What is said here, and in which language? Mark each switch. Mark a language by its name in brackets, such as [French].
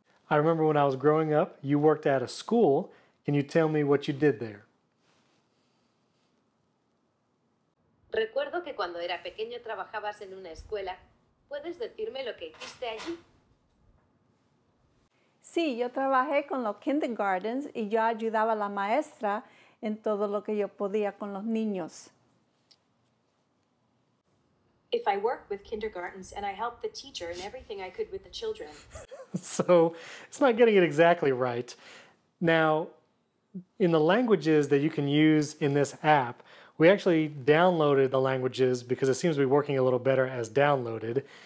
[English] I remember when I was growing up, you worked at a school. Can you tell me what you did there? [Spanish] Recuerdo que cuando era pequeño trabajabas en una escuela. ¿Puedes decirme lo que hiciste allí? Sí, yo trabajé con los kindergartens y yo ayudaba a la maestra en todo lo que yo podía con los niños. [English] If I work with kindergartens and I help the teacher in everything I could with the children. So, it's not getting it exactly right. Now, in the languages that you can use in this app, we actually downloaded the languages because it seems to be working a little better as downloaded.